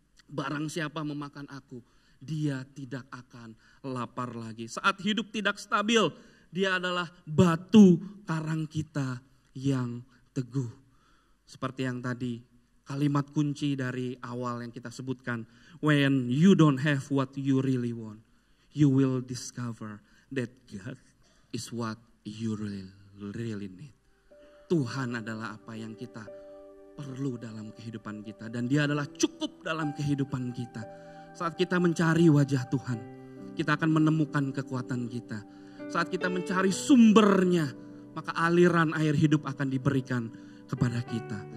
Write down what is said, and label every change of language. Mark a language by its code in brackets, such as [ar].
[id] Barang siapa memakan aku, dia tidak akan lapar lagi. Saat hidup tidak stabil, dia adalah batu karang kita yang teguh. Seperti yang tadi, kalimat kunci dari awal yang kita sebutkan. [en] When you don't have what you really want, you will discover that God is what you really need. [id] Tuhan adalah apa yang kita perlu dalam kehidupan kita. Dan dia adalah cukup dalam kehidupan kita. Saat kita mencari wajah Tuhan, kita akan menemukan kekuatan kita. Saat kita mencari sumbernya, maka aliran air hidup akan diberikan kepada kita.